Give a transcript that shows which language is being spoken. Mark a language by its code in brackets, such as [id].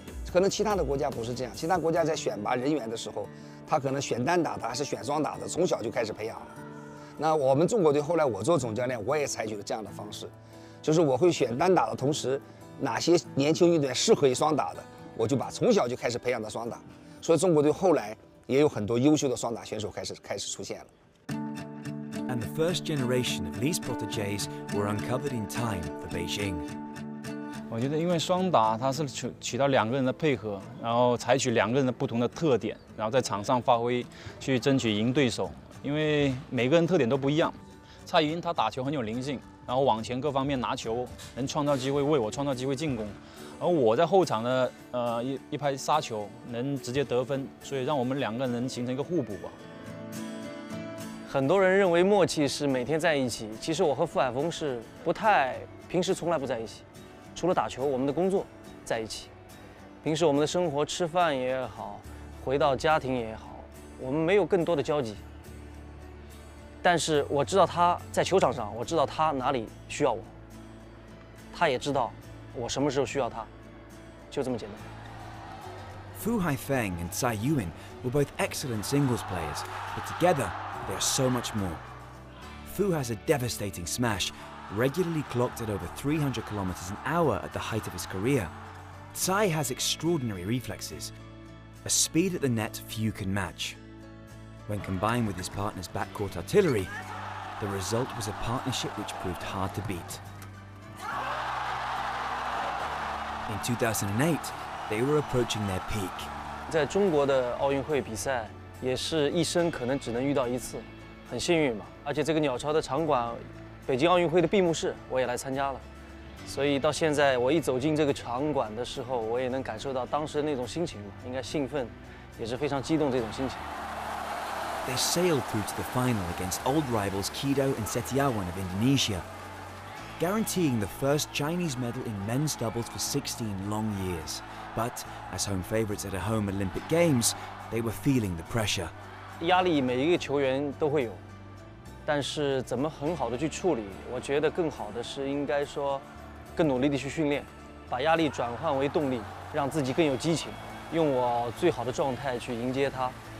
[zh] 可能其他的国家不是这样，其他国家在选拔人员的时候，他可能选单打的，还是选双打的，从小就开始培养了。那我们中国队后来我做总教练，我也采取了这样的方式，就是我会选单打的同时，哪些年轻运动员适合于双打的，我就把从小就开始培养的双打，所以中国队后来也有很多优秀的双打选手开始出现了。 [en] and the first generation of Lee's proteges were uncovered in time for Beijing. [zh] 我觉得因为双打它是取到两个人的配合，然后采取两个人的不同的特点，然后在场上发挥去争取赢对手。因为每个人特点都不一样，蔡云他打球很有灵性，然后往前各方面拿球能创造机会，为我创造机会进攻，而我在后场的一拍杀球能直接得分，所以让我们两个人形成一个互补吧。很多人认为默契是每天在一起，其实我和傅海峰是不太平时从来不在一起，除了打球我们的工作在一起，平时我们的生活吃饭也好，回到家庭也好，我们没有更多的交集。但是我知道他在球场上，我知道他哪里需要我，他也知道我什么时候需要他，就这么简单。 [en] Fu Haifeng and Cai Yuan were both excellent singles players, but together they are so much more. Fu has a devastating smash, regularly clocked at over 300 kilometers an hour at the height of his career. Cai has extraordinary reflexes, a speed at the net few can match. When combined with his partner's backcourt artillery, the result was a partnership which proved hard to beat. In 2008, they were approaching their peak. [zh] 在中国的奥运会比赛也是一生可能只能遇到一次，很幸运嘛。而且这个鸟巢的场馆，北京奥运会的闭幕式我也来参加了，所以到现在我一走进这个场馆的时候，我也能感受到当时的那种心情嘛，应该兴奋，也是非常激动这种心情。 [en] They sailed through to the final against old rivals Kido and Setiawan of Indonesia, guaranteeing the first Chinese medal in men's doubles for 16 long years. But as home favorites at a home Olympic Games, they were feeling the pressure. [zh] 压力每一个球员都会有，但是怎么很好的去处理，我觉得更好的是应该说更努力的去训练，把压力转换为动力，让自己更有激情，用我最好的状态去迎接它。